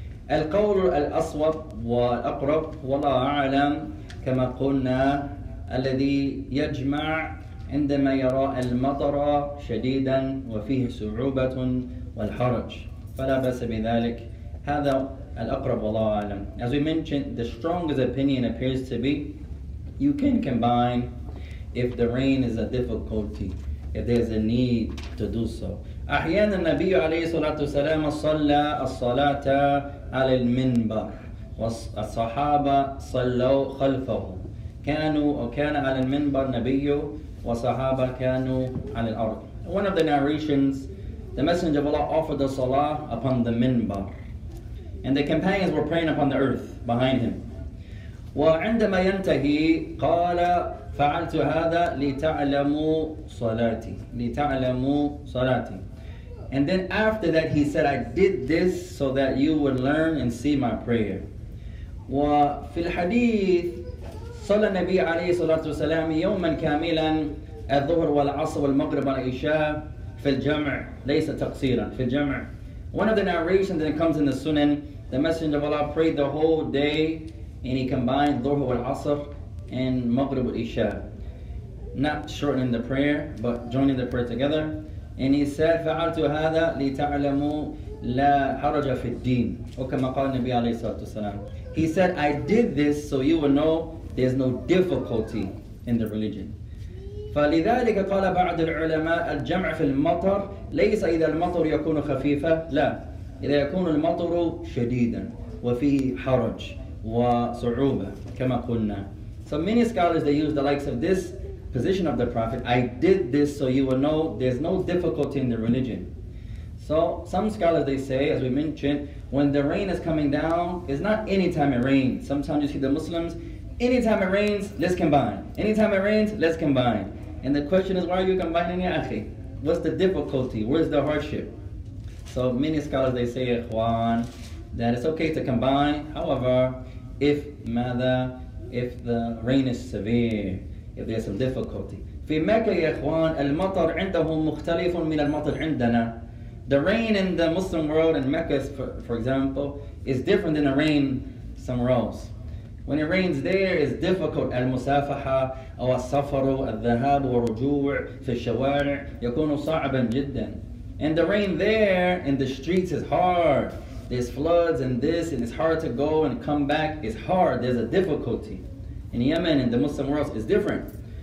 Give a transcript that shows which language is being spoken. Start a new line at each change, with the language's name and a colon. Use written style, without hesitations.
Arabic: القول الأصوب والأقرب والله أعلم كما قلنا الذي يجمع عندما يرى المطر شديدا وفيه صعوبة والحرج فلا بأس بذلك هذا الأقرب والله أعلم.
English: As we mentioned, the strongest opinion appears to be you can combine if the rain is a difficulty, if there's a need to do so.
Arabic: أحيانا النبي عليه الصلاة والسلام صلى الصلاة على المنبر والصحابة صلوا خلفه كانوا وكان على المنبر نبي وصحابة كانوا على الأرض.
English: One of the narrations, the Messenger of Allah offered the salah upon the minbar, and the companions were praying upon the earth behind him.
Arabic: وعندما ينتهي قال فعلت هذا لتعلموا صلاتي
English: And then after that he said, I did this so that you would learn and see my prayer.
Arabic: وفي الحديث صلى النبي عليه الصلاة والسلام يوما كاملا الظهر والعصر والمغرب والعشاء في الجمع ليس تقصيرا في الجمع.
English: One of the narrations that comes in the Sunan, the Messenger of Allah prayed the whole day and he combined Dhuhr wal Asr and Maghrib wal Isha. Not shortening the prayer, but joining the prayer together. And he said,
Arabic: فَعَلْتُ هَذَا لِتَعْلَمُوا لَا حَرَجَ فِي الدِّينِ وَكَمَا قَالَ النَّبِيَ عَلَيْهِ الصَّلَاةُ وَالسَّلَامُ.
English: He said, I did this so you will know there's no difficulty in the religion.
Arabic: فلذلك قال بعض العلماء الجمع في المطر ليس إذا المطر يكون خفيفا لا إذا يكون المطر شديدا وفيه حرج وصعوبة كما قلنا.
English: So many scholars they use the likes of this position of the Prophet, I did this so you will know there's no difficulty in the religion. So some scholars they say, as we mentioned, when the rain is coming down, it's not anytime it rains. Sometimes you see the Muslims, anytime it rains, let's combine. And the question is, why are you combining, ya akhi? What's the difficulty? Where's the hardship? So many scholars, they say, Ikhwan, that it's okay to combine. However, if the rain is severe, if there's some difficulty.
Arabic: في مكة يا إخوان المطر عندهم مختلف من المطر عندنا.
English: The rain in the Muslim world in Mecca, for example, is different than the rain somewhere else. When it rains there, it's difficult.
Arabic: المسافحة أو السفر الذهاب والرجوع في الشوارع يكون صعبا جدا.
English: And the rain there in the streets is hard. There's floods and this, and it's hard to go and come back. It's hard. There's a difficulty. In Yemen, in the Muslim world, it's different.